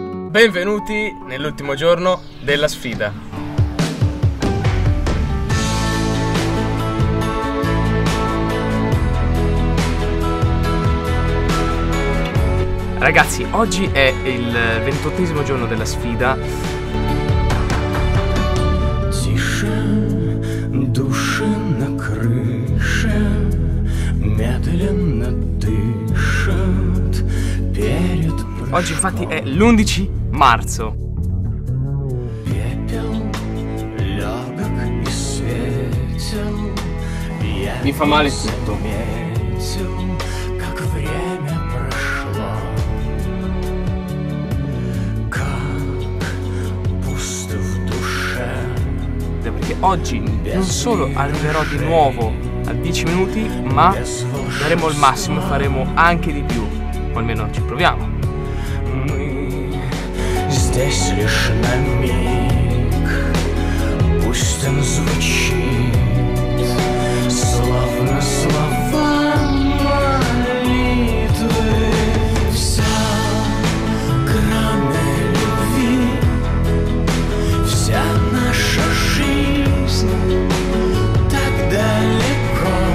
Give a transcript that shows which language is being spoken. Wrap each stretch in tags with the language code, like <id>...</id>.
<it>Benvenuti nell'ultimo giorno della sfida. Ragazzi, oggi è il 28esimo giorno della sfida.</it> <ru>Тише, душе на крыше, медленно дышит перед.</ru> <it>Oggi infatti è l'11 marzo. Mi fa male tutto. È perché oggi non solo arriverò di nuovo a 10 minuti, ma daremo il massimo e faremo anche di più. O almeno ci proviamo.</it> <ru>Здесь лишь на миг, пусть он звучит, словно слова молитвы. Вся грань любви, вся наша жизнь так далеко.</ru>